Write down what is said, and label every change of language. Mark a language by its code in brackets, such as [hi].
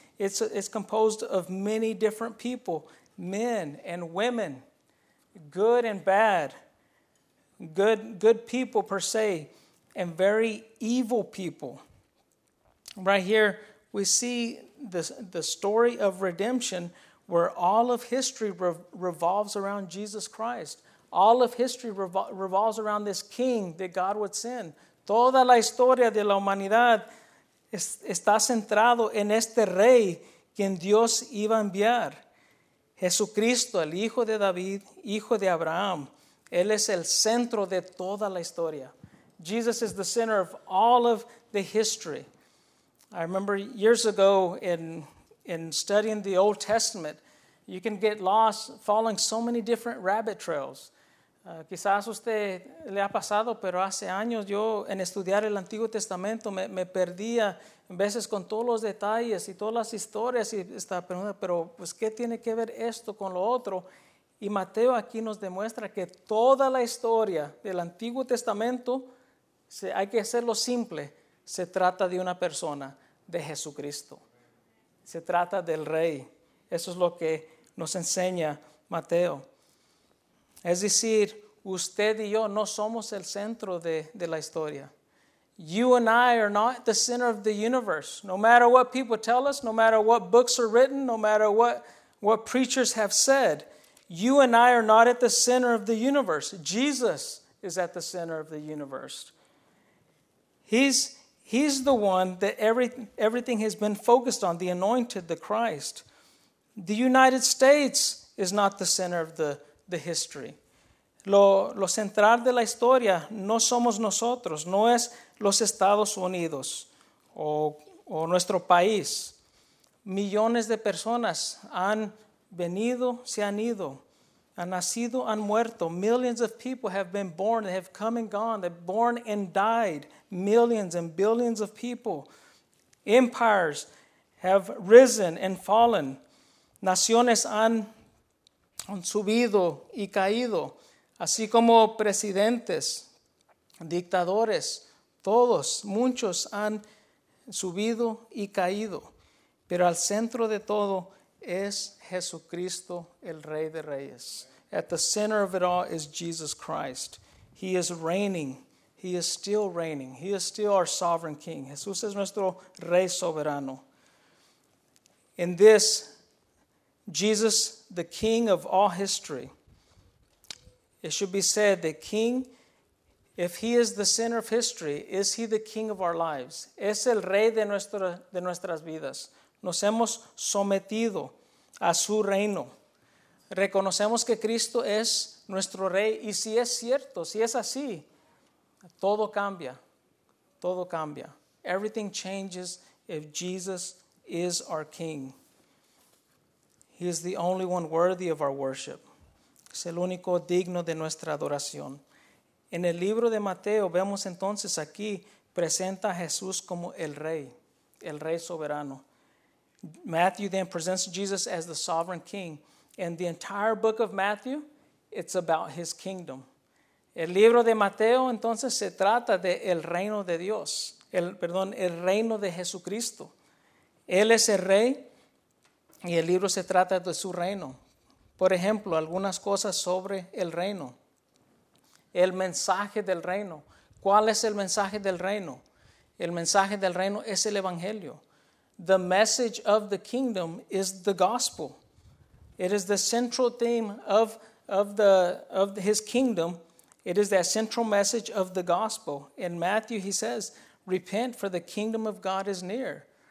[en] It's composed of many different people, men and women, good and bad, good people per se, and very evil people. Right here, we see the story of redemption, where all of history revolves around Jesus Christ. All of history revolves around this king that God would send. [es] Toda la historia de la humanidad está centrado en este rey quien Dios iba a enviar. Jesucristo, el hijo de David, hijo de Abraham. Él es el centro de toda la historia. [en] Jesus is the center of all of the history. I remember years ago in studying the Old Testament, you can get lost following so many different rabbit trails. [es] Quizás usted le ha pasado, pero hace años yo en estudiar el Antiguo Testamento me perdía en veces con todos los detalles y todas las historias y estaba preguntando, pero pues ¿qué tiene que ver esto con lo otro? Y Mateo aquí nos demuestra que toda la historia del Antiguo Testamento, hay que hacerlo simple, se trata de una persona, de Jesucristo. Se trata del Rey. Eso es lo que nos enseña Mateo. Es decir, usted y yo no somos el centro de la historia. [en] You and I are not the center of the universe. No matter what people tell us, no matter what books are written, no matter what preachers have said, you and I are not at the center of the universe. Jesus is at the center of the universe. He's the one that everything has been focused on, the anointed, the Christ. The United States is not the center of the history. [es] Lo central de la historia no somos nosotros, no es los Estados Unidos o nuestro país. Millones de personas han venido, se han ido, han nacido, han muerto. [en] Millions of people have been born, they have come and gone, they've born and died. Millions and billions of people. Empires have risen and fallen. [es] Naciones han subido y caído. Así como presidentes, dictadores, todos, muchos han subido y caído. Pero al centro de todo es Jesucristo, el Rey de Reyes. [en] At the center of it all is Jesus Christ. He is reigning. He is still reigning. He is still our sovereign king. [es] Jesús es nuestro Rey soberano. [en] In this, Jesus, the King of all history, it should be said, the King, if he is the center of history, is he the King of our lives? [es] Es el Rey de nuestras vidas. Nos hemos sometido a su reino. Reconocemos que Cristo es nuestro Rey. Y si es cierto, si es así, todo cambia. Todo cambia. [en] Everything changes if Jesus is our King. He is the only one worthy of our worship. [es] Es el único digno de nuestra adoración. En el libro de Mateo vemos entonces aquí presenta a Jesús como el Rey soberano. [en] Matthew then presents Jesus as the sovereign king. And the entire book of Matthew, it's about his kingdom. [es] El libro de Mateo entonces se trata de el reino de Dios. El reino de Jesucristo. Él es el rey y el libro se trata de su reino. Por ejemplo, algunas cosas sobre el reino. El mensaje del reino. ¿Cuál es el mensaje del reino? El mensaje del reino es el evangelio. [en] The message of the kingdom is the gospel. It is the central theme of his kingdom. It is that central message of the gospel. In Matthew, he says, repent, for the kingdom of God is near.